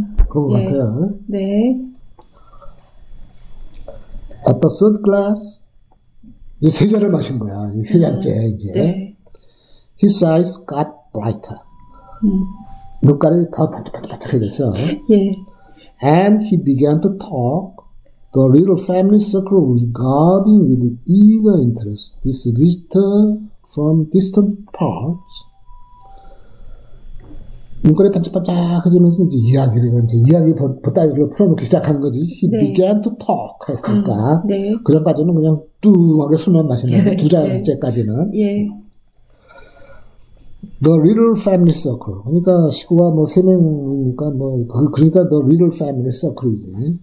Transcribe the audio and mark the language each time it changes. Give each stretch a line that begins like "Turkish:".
Korean: 그런 것 예. 같아요. 네.
English: At the third glass,
Korean: 이제 세 잔을 마신 거야. 세 잔째 이제. 네.
English: His eyes got brighter.
Korean: 눈깔이 더 반짝반짝해졌어. 예.
English: And he began to talk the little family circle regarding with eager interest this visitor from distant parts.
Korean: 눈깔이 반짝반짝해지면서 이제 이야기를, 이제 이야기 보따리를 풀어놓기 시작한 거지.
English: He
Korean: 네.
English: began to talk
Korean: 했으니까. 네. 그 전까지는 그냥 뚜하게 술만 마셨는데, 두 잔째까지는. 예. 네.
English: The little family circle.
Korean: 그러니까 식구가 뭐 세 명이니까 뭐, 그러니까
English: the little family circle
Korean: 이지.